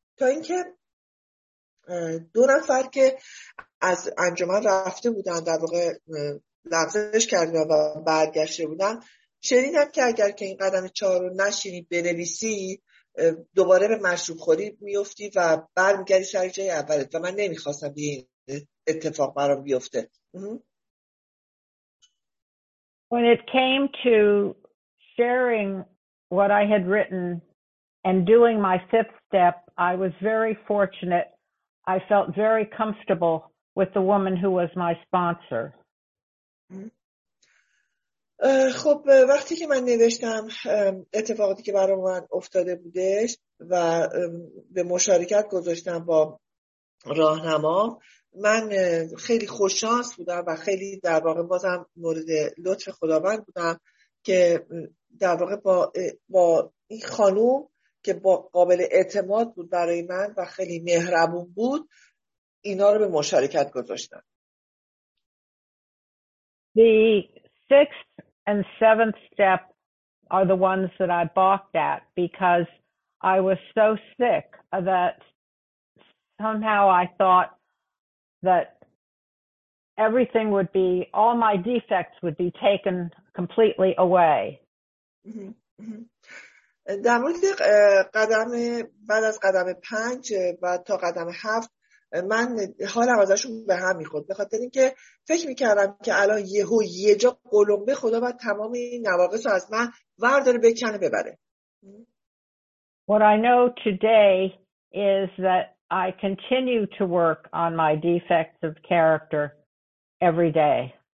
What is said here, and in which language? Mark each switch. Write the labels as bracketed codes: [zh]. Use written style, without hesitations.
[fa] تا اینکه دو نفر که از انجمن رفته بودن، در واقع لغزش کرده و برگشته بودن، شنیدم که اگر که این قدم چهار رو نشینی بنویسی، دوباره به مشروب خوری میفتی و برمیگردی سر جای اولت و من نمیخواستم این اتفاق برام بیفته. [en] When it came to sharing what I had written and doing my fifth step, I was very fortunate. I felt very comfortable with the woman who was my sponsor. [fa] خب وقتی که من نوشتم اتفاقاتی که برای من افتاده بودش و به مشارکت گذاشتم با راهنما من خیلی خوش شانس بودم و خیلی در واقع بازم مورد لطف خداوند بودم که در واقع با این خانوم که با قابل اعتماد بود برای من و خیلی مهربون بود اینا رو به مشارکت گذاشتم. [en] The sixth and seventh step are the ones that I balked at because I was so sick that somehow I thought that everything would be, all my defects would be taken completely away. [fa] در مورد قدم بعد از قدم پنج و تا قدم هفت من حالم ازشون به هم میخورد به خاطر این که فکر میکردم که الان یهو یه جا قلمبه خدا باید تمام این نواقص رو از من ورداره بکنه ببره. [en] What I know today is that I continue to work on my defects of character every day.